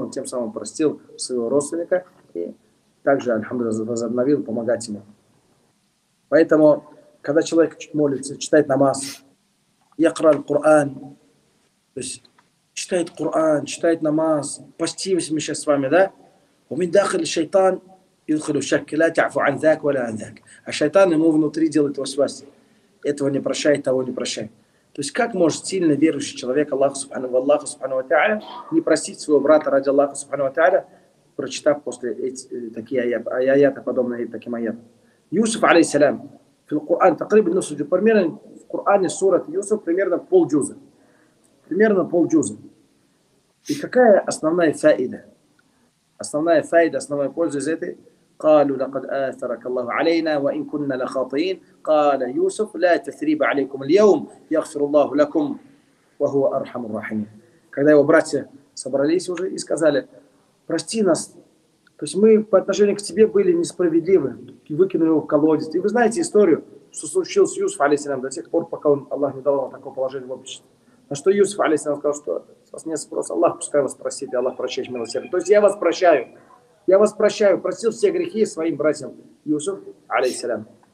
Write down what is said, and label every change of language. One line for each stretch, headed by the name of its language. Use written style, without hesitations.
Russian: Он тем самым простил своего родственника и также, альхамдулиллах, возобновил помогать ему. Поэтому, когда человек молится, читает намаз, якра аль-Куран, то есть читает Куран, читает намаз, постимся мы сейчас с вами, да?
Arabic: ومن داخل الشيطان يدخل الشك لا تعفو عن ذاك ولا عن ذاك.
Russian: الشيطان ему внутри делает вас. Этого не прощает, того не прощает. То есть как может сильно верующий человек Аллаху субхану ва тааля не простить своего брата ради Аллаха субхану ва тааля, прочитав после такие аяты, подобные таким аятам.
Arabic: Юсуф алейхиссалям في القرآن تقريبا نص جزء.
Russian: Примерно в Коране сура Юсуф примерно полджуза. Примерно полджуза. И какая основная фаида? Основная файда, основная польза из этой:
Arabic: قالوا لقد آثرك الله علينا وإن كنا لخاطئين. قال يوسف لا تثريب عليكم اليوم يغفر الله لكم وهو أرحم الراحمين.
Russian: Когда его братья собрались уже и сказали: прости нас, то есть мы по отношению к тебе были несправедливы, и выкинули его в колодец. И вы знаете историю, что случилось с Юсуфом алейхиссалям до тех пор, пока он, Аллах не дал ему такого положения в обществе. На что Юсуф алейхиссалям сказал, что с вас нет спроса, Аллах пускай вас простит, и Аллах прощает милосердие. То есть я вас прощаю, простил все грехи своим братьям, Юсуф алейхиссалям.